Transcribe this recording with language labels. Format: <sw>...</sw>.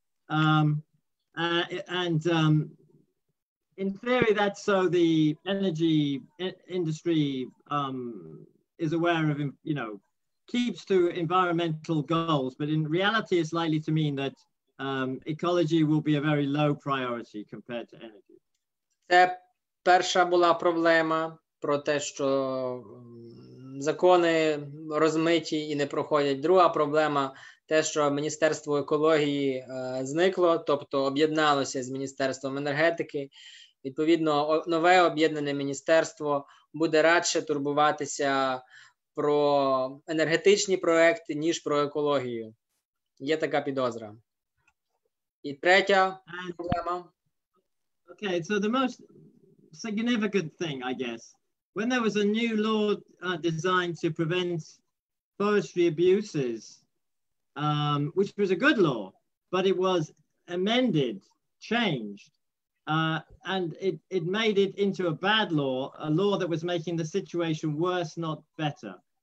<en>In theory, that's so the energy industry is aware of, you know, keeps to environmental goals, but in reality, it's likely to mean that ecology will be a very low priority compared to energy.</en> <uk>Це перша була проблема про те, що закони розмиті і не проходять. Друга проблема те, що Міністерство екології зникло, тобто об'єдналося з Міністерством енергетики. Відповідно, нове об'єднане міністерство буде радше турбуватися про енергетичні проекти, ніж про екологію. Є така підозра. І третя проблема.</uk> <en>Okay, so the most significant thing, I guess, when there was a new law designed to prevent forestry abuses, which was a good law, but it was amended, changed, and it made it into a bad law, a law that was making the situation worse, not better.</en>